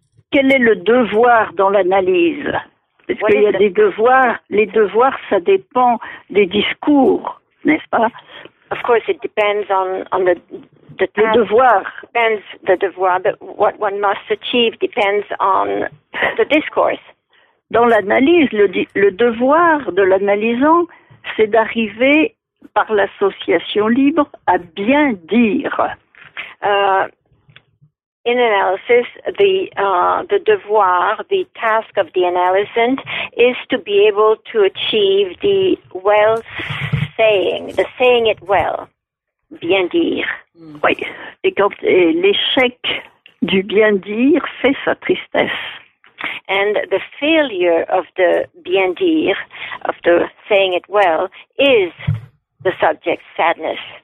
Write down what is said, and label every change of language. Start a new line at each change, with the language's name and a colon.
French: Quel est le devoir dans l'analyse? Parce qu'il y a des devoirs. Les devoirs, ça dépend des discours, n'est-ce pas?
English: Of course, it depends on the.
French: Le devoir.
English: Depends the devoir, but what one must achieve depends on the discourse.
French: Dans l'analyse, le devoir de l'analysant, c'est d'arriver par l'association libre à bien dire.
English: In analysis, the devoir, the task of the analysant, is to be able to achieve the well saying, the saying it well, bien dire.
French: Oui, et quand l'échec du bien dire fait sa tristesse.
English: And the failure of the bien dire, of the saying it well, is the subject's sadness.